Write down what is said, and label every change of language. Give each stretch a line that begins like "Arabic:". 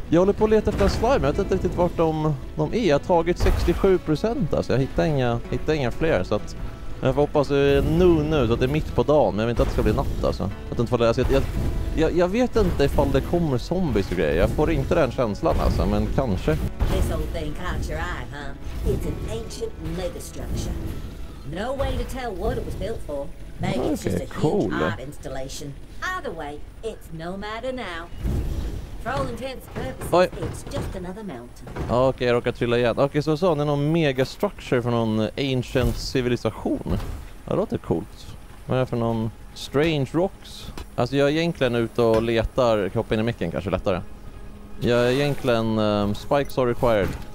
Swedish: Jag håller på att leta efter en slime, jag vet inte riktigt vart de är. Jag har tagit 67%, alltså jag hittar inga fler. Så att jag får hoppas att det är nu, så att det är mitt på dagen. Men jag vet inte att det ska bli natt, alltså. Jag vet inte ifall det kommer zombies och grejer. Jag får inte den känslan, alltså, men kanske.
English: This old thing caught your eye, huh? It's an ancient megastructure. No way to tell what it was built for. Maybe it's just a cool huge art installation. Either way, it's no matter now. For all intents and purposes, oj, it's just another mountain.
Swedish: Okej, jag råkar trilla igen. Okej, så vad sa han? Det är någon megastructure för någon
English: ancient civilisation.
Swedish: Ja, det låter coolt. Vad är det för någon
English: strange rocks?
Swedish: Alltså jag är egentligen ute och letar. Kan hoppa in i micken kanske lättare. Jag är egentligen
English: spikes are required.